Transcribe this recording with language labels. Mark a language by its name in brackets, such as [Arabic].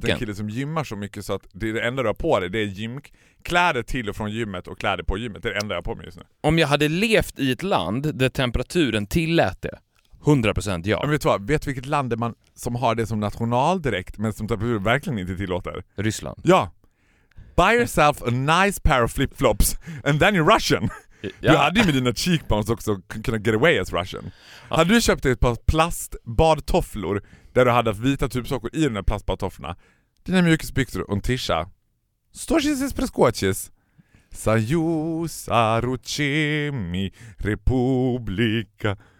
[Swedish] Det är en kille som gymmar så mycket så att det enda du har på dig, det är gymkläder till och från gymmet och kläder på gymmet. Det är det enda jag har på mig just nu. Om jag hade levt i ett land där temperaturen tillät det, 100% ja. Men vet du vad? Vet vilket land är man som har det som national direkt men som temperatur verkligen inte tillåter? Ryssland. Ja. [English] Buy yourself a nice pair of flip-flops and then you're Russian. [Swedish] Ja. Du hade ju med dina cheekbones också kunna [English] get away as Russian. [Swedish] Ja. Hade du köpt ett par plastbadtofflor där du hade vita tubsockor i den där plastbadtofflorna, dina mjukisbyxor och en tisha. Storchisis preskocis. Sajus aruchimi republika.